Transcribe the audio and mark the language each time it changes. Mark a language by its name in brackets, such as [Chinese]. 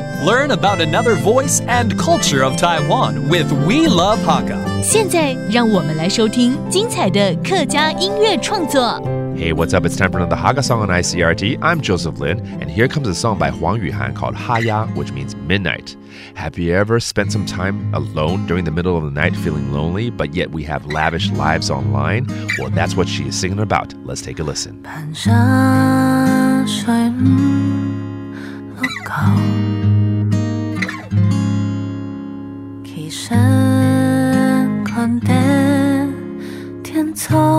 [English] Learn about another voice and culture of Taiwan with We Love Hakka. [Chinese] 现在让我们来收听精彩的客家音乐创作。 [English] Hey, what's up? It's time for another Hakka song on ICRT. I'm Joseph Lin, and here comes a song by 黄宇寒 called 哈呀, which means midnight. Have you ever spent some time alone during the middle of the night feeling lonely, but yet we have lavish lives online? Well, that's what she is singing about. Let's take a listen. 半山水路口起身看点天走